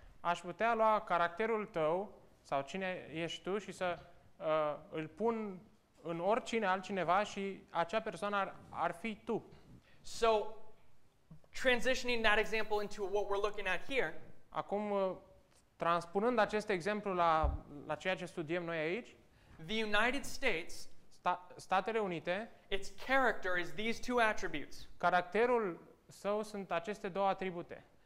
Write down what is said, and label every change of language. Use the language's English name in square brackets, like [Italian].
[Romanian] Aș putea lua caracterul tău sau cine ești tu și să îl pun în oricine altcineva și acea persoană ar fi tu. [English] So transitioning that example into what we're looking at here. [Romanian] Acum transpunând acest exemplu la ceea ce studiem noi aici, [English] the United States, [Romanian] Statele Unite, [English] its character is these two attributes. [Romanian] Caracterul său sunt aceste două atribute.